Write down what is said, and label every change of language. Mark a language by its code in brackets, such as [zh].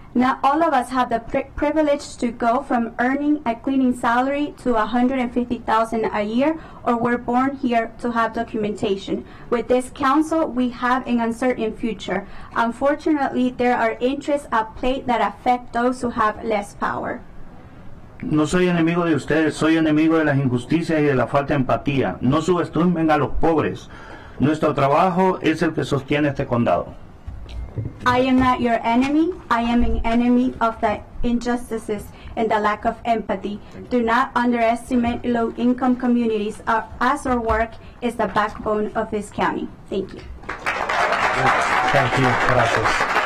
[en] Not all of us have the privilege to go from earning a cleaning salary to $150,000 a year, or were born here to have documentation. With this council, we have an uncertain future. Unfortunately, there are interests at play that affect those who have less power. [es] No soy enemigo de ustedes, soy enemigo de las injusticias y de la falta de empatía. No subestimen a los pobres. Nuestro trabajo es el que sostiene este condado. [en] I am not your enemy. I am an enemy of the injustices and the lack of empathy. Do not underestimate low-income communities, as our work is the backbone of this county. Thank you. Thank you. Gracias.